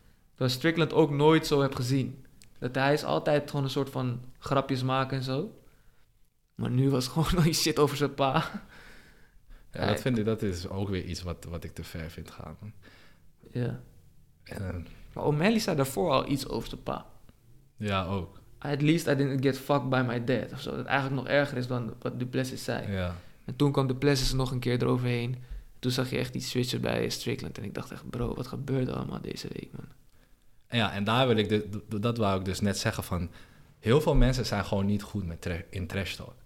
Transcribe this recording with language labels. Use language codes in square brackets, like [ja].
[nl] Terwijl Strickland ook nooit zo heb gezien. Dat hij is altijd gewoon een soort van grapjes maken en zo. Maar nu was gewoon al die shit over zijn pa. Ja, dat vind ik, dat is ook weer iets wat ik te ver vind gaan. Ja. Maar O'Malley zei daarvoor al iets over zijn pa. Ja, ook. [en] At least I didn't get fucked by my dad. [nl] Of zo. Dat eigenlijk nog erger is dan wat Duplessis zei. Ja. En toen kwam Duplessis nog een keer eroverheen. Toen zag je echt die switcher bij Strickland. En ik dacht echt, bro, wat gebeurt er allemaal deze week, man? Ja, en daar wil ik dat wou ik dus net zeggen van... Heel veel mensen zijn gewoon niet goed met in trash talk.